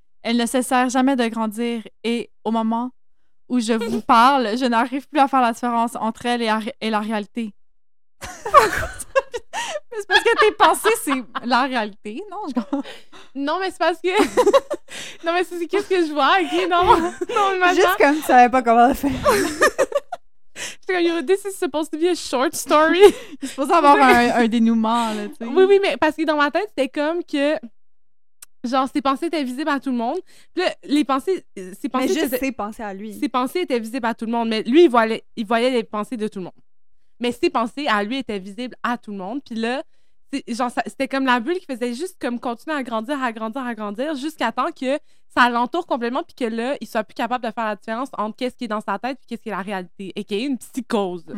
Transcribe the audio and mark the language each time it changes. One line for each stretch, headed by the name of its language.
French: Elles ne cessèrent jamais de grandir et, au moment où je vous parle, je n'arrive plus à faire la différence entre elles et la réalité. C'est parce que tes pensées, c'est la réalité, non? Non, mais c'est parce que... Non, mais c'est qu'est-ce que je vois, OK? Non, normalement. Juste comme tu savais pas comment le faire. J'étais comme,
English: this is supposed to be a short story.
French: C'est supposé avoir un dénouement, là, tu sais. Oui, oui, mais parce que dans ma tête, c'était comme que... Genre, ses pensées étaient visibles à tout le monde. Puis là, les pensées... Ses pensées mais juste ses pensées à lui. Ses pensées étaient visibles à tout le monde, mais lui, il voyait les pensées de tout le monde. Mais ses pensées à lui étaient visibles à tout le monde. Puis là, genre, c'était comme la bulle qui faisait juste comme continuer à grandir, jusqu'à temps que ça l'entoure complètement, puis que là, il soit plus capable de faire la différence entre qu'est-ce qui est dans sa tête puis qu'est-ce qui est la réalité, et qu'il y ait une psychose.